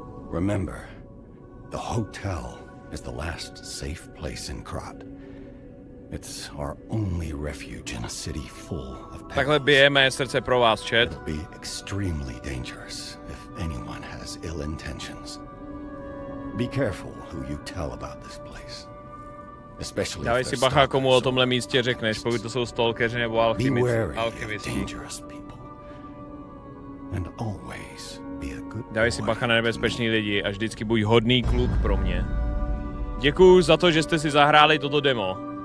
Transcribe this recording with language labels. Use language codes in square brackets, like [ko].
[en] Remember, the hotel is the last safe place in Krat. It's our only refuge in a city full of peril. [cs] Takhle bijeme srdce pro vás, chat. [en] It'll be extremely dangerous if anyone has ill intentions. Be careful who you tell about this place. Especially if there's stalkers. [cs] Dávej si bacha, komu o tomhle místě řekneš, pokud to jsou stalkeři nebo alchymici. [en] Be wary of dangerous people. And always be a good boy. [cs] Dávej si bacha na nebezpečný lidi a vždycky buď hodný kluk pro mě. Děkuju za to, že jste si zahráli toto demo.